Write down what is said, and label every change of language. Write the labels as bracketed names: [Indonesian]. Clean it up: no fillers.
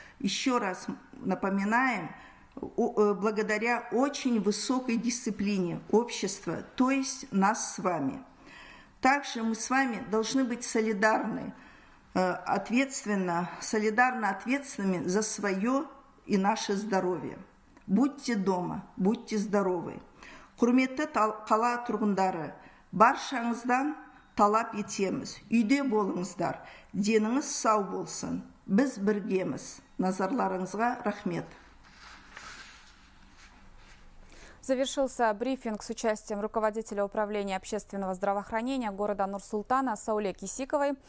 [Russian] Еще раз напоминаем, благодаря очень высокой дисциплине общества, то есть нас с вами. Также мы с вами должны быть солидарно ответственными за свое и наше здоровье. Будьте дома, будьте здоровы. [Kazakh] Құрметті қала тұрғындары, баршаңыздан талап етеміз. Үйде болыңыздар, деніңіз сау болсын. Біз біргеміз. Назарларыңызға рахмет. [Russian] Завершился брифинг с участием руководителя управления общественного здравоохранения города Нур-Султана Сауле Кисиковой.